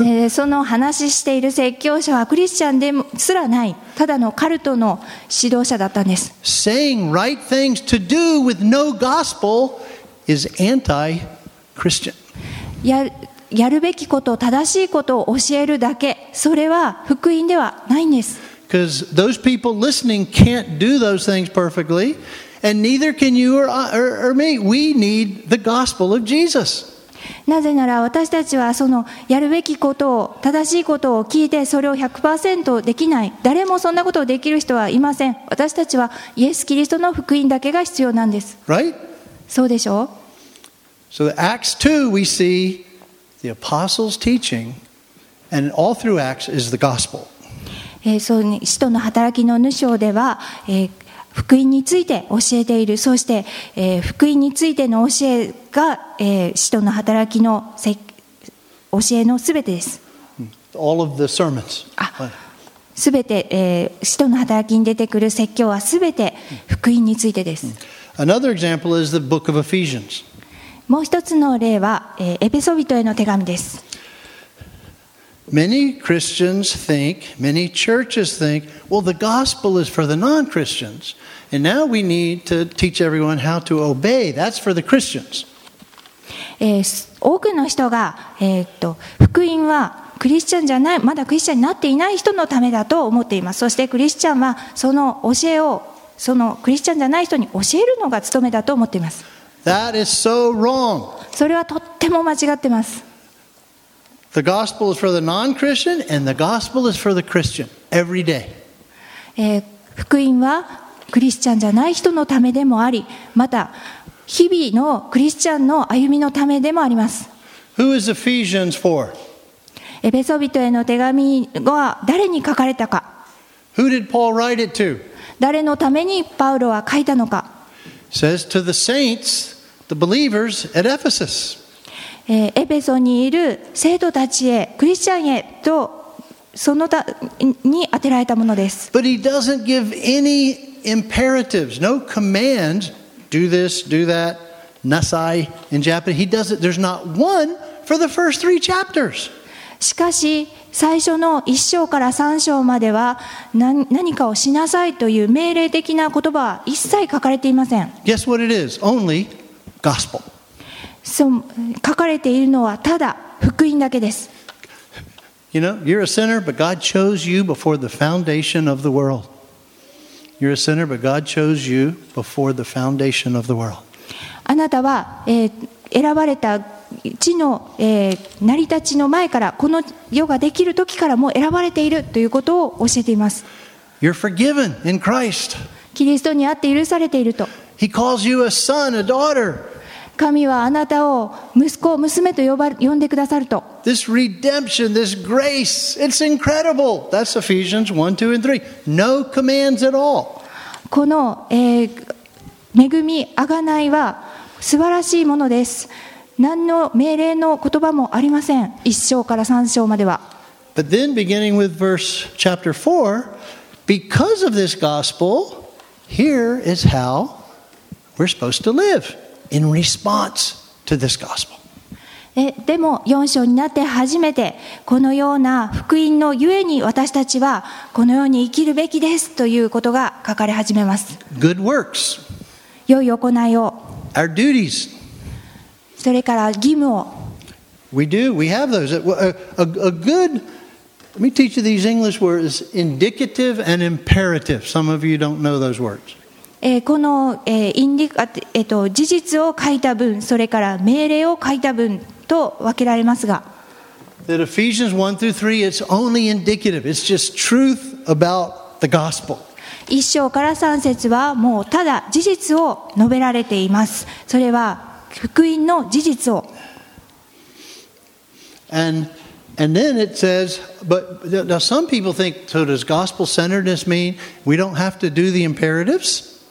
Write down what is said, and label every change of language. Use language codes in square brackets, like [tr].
[ja] その話している説教者はクリスチャンでもすらない。ただのカルトの指導者だったんです。 [en] Saying right things to do with no gospel is anti-Christian. [ja] やるべきこと、正しいことを教えるだけ。それは福音ではないんです。 [en] Because those people listening can't do those things perfectly. And neither can you or me. We need the gospel of Jesus. [ja] なぜなら私たちはそのやるべきことを正しいことを聞いてそれを 100% できない。誰もそんなことをできる人はいません。私たちはイエス・キリストの福音だけが必要なんです。 [en] Right? [ja] そうでしょう? [en] So Acts 2, we see the apostles' teaching, and all through Acts is the gospel. [ja] そう、使徒の働きの2章では、福音について教えている。そして、福音についての教えが、使徒の働きの教えのすべてです。 [en] All of the sermons. [ja] すべて、使徒の働きに出てくる説教はすべて福音についてです。 [en] Another example is the book of Ephesians. [ja] もう一つの例は、エペソ人への手紙です。 [en] Many Christians think, many churches think, well, the gospel is for the non-Christians, and now we need to teach everyone how to obey. That's for the Christians. [ja] 多くの人が、福音はクリスチャンじゃない、まだクリスチャンになっていない人のためだと思っています。そしてクリスチャンはその教えを、そのクリスチャンじゃない人に教えるのが務めだと思っています。 [en] That is so wrong. [ja] それはとっても間違ってます。 [en] The gospel is for the non-Christian and the gospel is for the Christian every day. [ja] 福音はクリスチャンじゃない人のためでもあり、また日々のクリスチャンの歩みのためでもあります。 [en] Who is Ephesians for? [ja] エペソ人への手紙は誰に書かれたか。 [en] Who did Paul write it to? [ja] 誰のためにパウロは書いたのか。 [en] Says to the saints, the believers at Ephesus. [ja] エペソにいる聖徒たちへ、クリスチャンへと、そのたに当てられたものです。 [en] But he doesn't give any imperatives, no commands. Do this, do that. Nasai in Japanese. He doesn't. There's not one for the first three chapters. [ja] しかし最初の1章から3章までは 何かをしなさいという命令的な言葉は一切書かれていません。 [en] Guess what it is? Only gospel. [ja] 書かれているのはただ福音だけです。 [en] You know, you're a sinner, but God chose you before the foundation of the world. You're a sinner, but God chose you before the foundation of the world. [ja] あなたは、選ばれた地の、成り立ちの前から、この世ができる時からも選ばれているということを教えています。 [en] You're forgiven in Christ. [ja] キリストにあって許されていると。 [en] He calls you a son, a daughter. [ja] 神はあなたを息子、娘と呼んでくださると。 [en] This redemption, this grace, it's incredible. That's Ephesians 1, 2, and 3. No commands at all. [ja] この、恵み、贖いは素晴らしいものです。何の命令の言葉もありません。 1章から3章までは。 [en] But then beginning with verse chapter 4, because of this gospel, here is how we're supposed to live in response to this gospel. [ja] でも4章になって初めてこのような福音のゆえに私たちはこのように生きるべきですということが書かれ始めます。 [en] Good works. [ja] 良い行いを。 [en] Our duties. [ja] それから義務を。 [en] We do. We have those. A good. Let me teach you these English words: indicative and imperative. Some of you don't know those words. [ja] この、事実を書いた文、それから命令を書いた文と分けられますが、 [en] That Ephesians 1 through 3 is only indicative. It's just truth about the gospel. [ja] 1章から3節はもうただ事実を述べられています。それは福音の事実を。 [en] And then it says, but now some people think, so does gospel centeredness mean we don't have to do the imperatives?